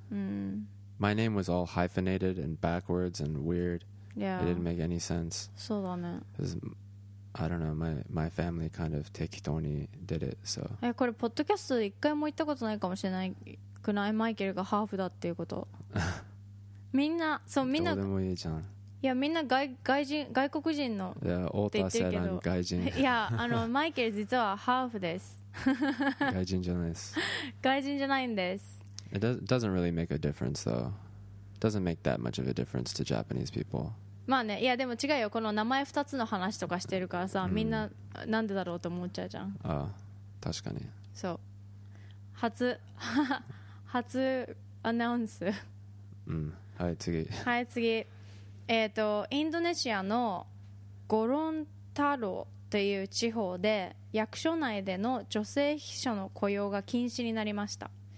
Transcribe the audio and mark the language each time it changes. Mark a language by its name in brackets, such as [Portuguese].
[English] My name was all hyphenated and backwards and weird. Yeah. It didn't make any sense. [Japanese] そうだね。 [English] Because, I don't know, my family kind of 適当に did it, so. [Japanese] え、これ、ポッドキャスト一回も言ったことないかもしれないくない？マイケルがハーフだっていうこと。みんな、そう、みんな。どうでもいいじゃん。いや、みんな外国人の。いや、オータセラン外人。いや、あの、マイケル実はハーフです。外人じゃないです。外人じゃないんです。 [English] It doesn't really make a difference though. Doesn't make that much of a difference to Japanese people. [Japanese] まあね、いやでも違うよ。この名前2つの話とかしてるからさ、みんななんでだろうと思っちゃうじゃん。ああ、確かに。そう。初アナウンス。うん。はい、次。はい、次。インドネシアのゴロンタロという地方で役所内での女性秘書の雇用が禁止になりました。